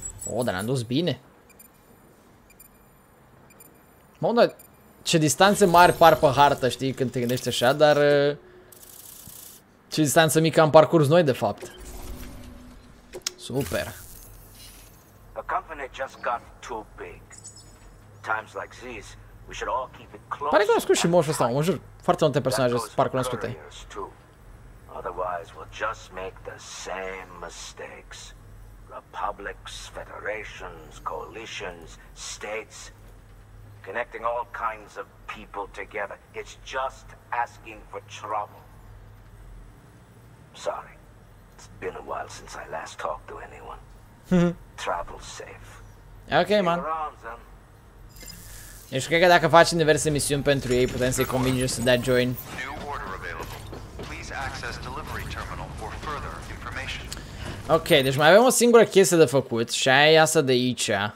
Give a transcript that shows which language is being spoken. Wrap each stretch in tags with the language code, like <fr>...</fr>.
<ro>Oh, dar ne-am dus bine. Mă, unde, ce distanțe mari par pe hartă, știi, când te gândești așa, dar ce distanță mică am parcurs noi, de fapt. Super.</ro> <en>A company just got too big. Times like these, we should all keep it close.</en> <ro>Pare cunoscut și moșul ăsta, mă jur, foarte multe personaje par cunoscute.</ro> <en>Otherwise, we'll just make the same mistakes. Republics, federations, coalitions, states. Connecting all kinds of people together. It's just asking for trouble. Sorry. It's been a while since I last talked to anyone. Travel safe. Okay, man.</en> <ro>Deci cred că dacă facem diverse misiuni pentru ei, putem să-i convingem să dea join.</ro> <en>New order available. Please access delivery terminal for further information.</en> <ro>Ok, deci mai avem o singură chestie de făcut și aia e asta de aici.</ro>